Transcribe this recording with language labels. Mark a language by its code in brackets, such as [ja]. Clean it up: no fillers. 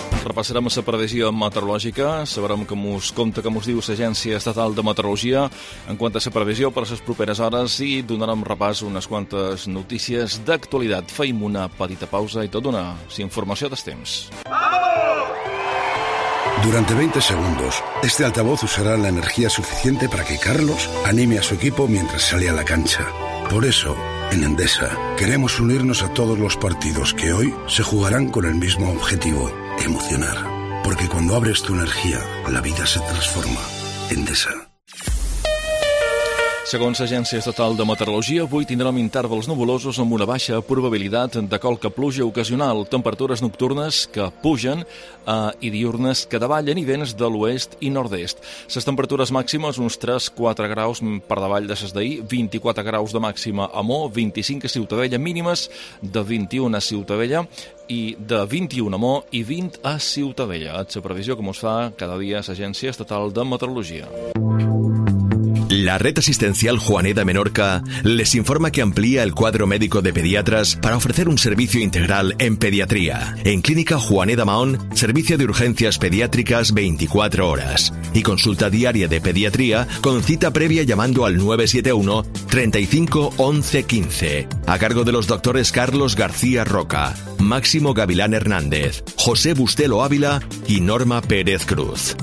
[ca] Repassarem la previsió meteorològica, sabrem com us compta, com us diu l'Agència Estatal de Meteorologia en quant a la previsió per a les properes hores i donarem repàs unes quantes notícies d'actualitat. Feim una petita pausa i tot una informació dels temps. [es] Durante 20 segundos, este altavoz usará la energía suficiente para que Carlos anime a su equipo mientras sale a la cancha. Por eso, en Endesa, queremos unirnos a todos los partidos que hoy se jugarán con el mismo objetivo, emocionar. Porque cuando abres tu energía, la vida se transforma. Endesa. [ca] Segons l'Agència Estatal de Meteorologia, avui tindrem intervals nuvolosos amb una baixa probabilitat de qualque pluja ocasional, temperatures nocturnes que pugen i diurnes que davallen i vents de l'oest i nord-est. Les temperatures màximes, uns 3-4 graus per davall de les d'ahir, 24 graus de màxima a Mó, 25 a Ciutadella, mínimes de 21 a Ciutadella, i de 21 a Mó i 20 a Ciutadella. És la previsió que ens fa cada dia l'Agència Estatal de Meteorologia. [es] La Red Asistencial Juaneda Menorca les informa que amplía el cuadro médico de pediatras para ofrecer un servicio integral en pediatría. En Clínica Juaneda Mahón, servicio de urgencias pediátricas 24 horas y consulta diaria de pediatría con cita previa llamando al 971 35 11 15 a cargo de los doctores Carlos García Roca, Máximo Gavilán Hernández, José Bustelo Ávila y Norma Pérez Cruz.